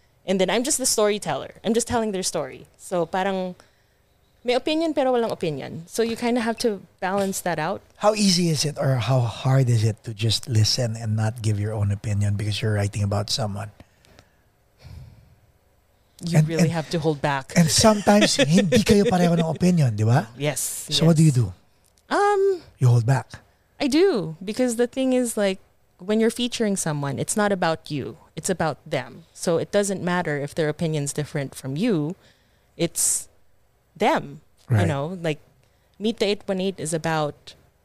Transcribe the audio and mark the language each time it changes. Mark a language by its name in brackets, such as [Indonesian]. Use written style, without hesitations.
[English] And then I'm just the storyteller. I'm just telling their story. So parang... [Filipino] May opinion pero walang opinion. [English] So you kind of have to balance that out. How easy is it or how hard is it to just listen and not give your own opinion because you're writing about someone? You really have to hold back. And sometimes [Filipino] hindi kayo pareho ng opinion, di ba? [English] Yes. So what do you do? You hold back. I do because the thing is like when you're featuring someone, it's not about you. It's about them. So it doesn't matter if their opinion's different from you. It's... them, right. You know, like Meet the 818 is about